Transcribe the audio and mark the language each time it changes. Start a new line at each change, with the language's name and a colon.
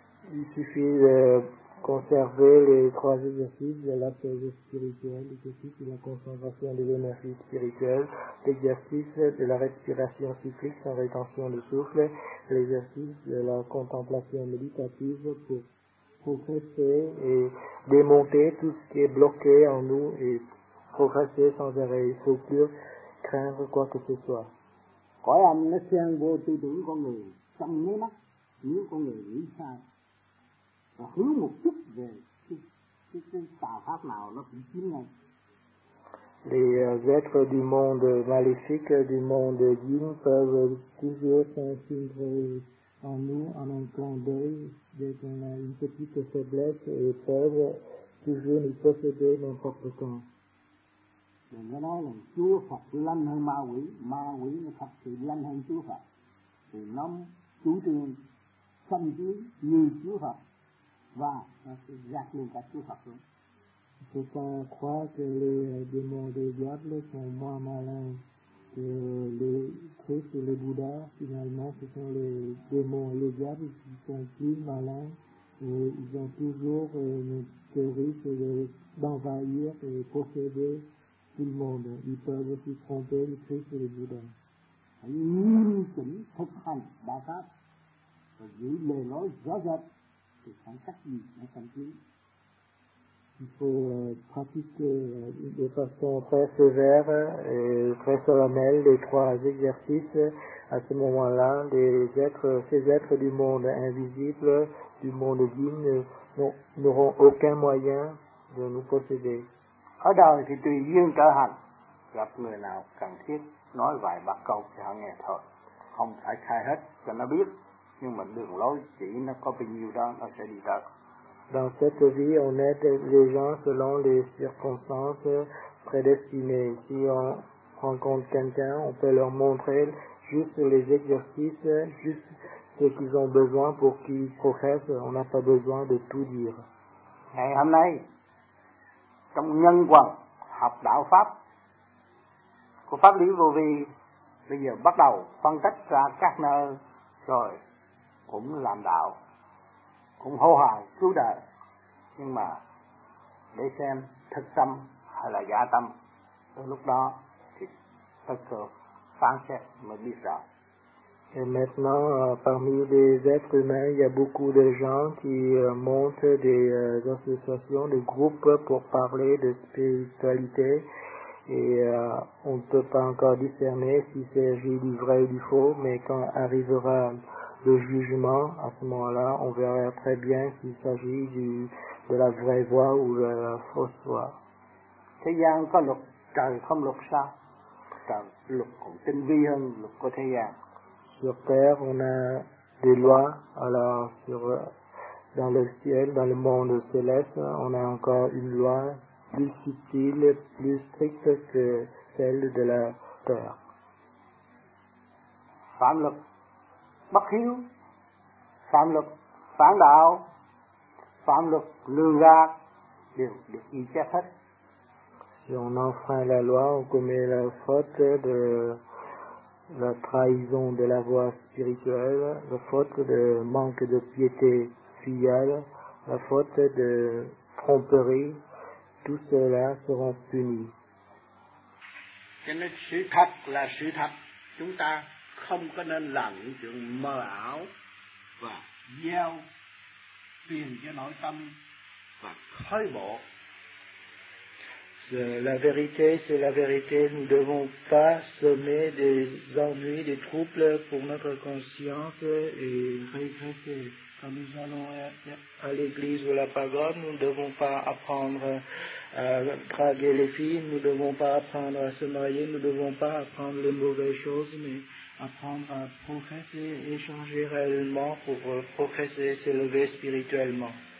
French: Il suffit de conserver les trois exercices de la pose spirituelle, et aussi de la concentration de l'énergie spirituelle, l'exercice de la respiration cyclique sans rétention de souffle, l'exercice de la contemplation méditative pour progresser et démonter tout ce qui est bloqué en nous et progresser sans arrêt. Il ne faut plus craindre quoi que ce soit.
Vietnamese: Cõi âm nó xen vô tư tưởng con người trong mấy mắt, nếu con người nghĩ sai và hướng một chút về cái tà pháp nào nó cũng chiếm ngay.
French: Les êtres du monde maléfique, du monde yin peuvent toujours s'infiltrer en nous en un clin d'œil dès qu'on a une petite faiblesse et peuvent toujours nous posséder n'importe quand.
Vietnamese: Đừng có nói là Chúa Phật lanh hơn ma quỷ nó thật sự lanh hơn Chúa Phật. Thì nó chủ trương xâm chiếm như Chúa Phật và nó sẽ gạt luôn cả Chúa Phật luôn.
French: Faut pas croire que les démons des diables sont moins malins que les Christ et les Bouddhas. Finalement, ce sont les démons et les diables qui sont plus malins. Et ils ont toujours une théorie d'envahir et posséder tout le monde. Ils peuvent aussi tromper le Christ et le Bouddha.
Vietnamese: Nghiêm chỉnh thực hành đạo pháp và giữ lời nói rõ rệt thì chẳng cách gì mà thành kiến.
French: Il faut pratiquer de façon très sévère et très solennelle les trois exercices. À ce moment-là, ces êtres du monde invisible, du monde divin, n'auront aucun moyen de nous posséder.
Vietnamese: Ở đời thì tùy duyên trở hành, gặp người nào cần thiết nói vài ba câu cho họ nghe thôi, không phải khai hết cho nó biết, nhưng mà đường lối chỉ nó có bao nhiêu đó nó sẽ đi tới.
French: Dans cette vie, on aide les gens selon les circonstances prédestinées. Si on rencontre quelqu'un, on peut leur montrer juste les exercices, juste ce qu'ils ont besoin pour qu'ils progressent. On n'a pas besoin de tout dire.
Vietnamese: Ngày hôm nay, trong nhân quần học đạo pháp của pháp lý vô vi, bây giờ bắt đầu phân tách ra các nơi rồi cũng làm đạo. Cũng hô hào cứu đời, nhưng mà để xem thực tâm hay là giả tâm, từ lúc đó thì thực sự phán xét mới biết rõ.
French: Et maintenant, parmi les êtres humains, il y a beaucoup de gens qui montent des associations, des groupes pour parler de spiritualité, et on ne peut pas encore discerner s'il s'agit du vrai ou du faux, mais quand arrivera le jugement, à ce moment-là, on verra très bien s'il s'agit de la vraie voie ou de la fausse voie.
Vietnamese: Thế gian có luật trời không luật sao? Trời luật còn tinh vi hơn luật của thế gian.
French: Sur terre, on a des lois, alors dans le ciel, dans le monde céleste, on a encore une loi plus subtile, plus stricte que celle de la terre.
Vietnamese: Phạm luật bất hiếu, phạm luật phản đạo, pháp luật lương gạt đều được ghi chép hết.
French: Si on enfreint la loi, on commet la faute de la trahison de la voie spirituelle, la faute de manque de piété filiale, la faute de tromperie, tout cela sera puni.
Vietnamese: Cho nên sự thật là sự thật, chúng ta không có nên làm những chuyện mờ ảo và gieo phiền cho nội tâm và khơi bộ.
French: C'est la vérité, nous ne devons pas semer des ennuis, des troubles pour notre conscience et régresser. Quand nous allons à l'église ou à la pagode, nous ne devons pas apprendre à draguer les filles, nous ne devons pas apprendre à se marier, nous ne devons pas apprendre les mauvaises choses, mais apprendre à progresser, échanger réellement pour progresser, s'élever spirituellement.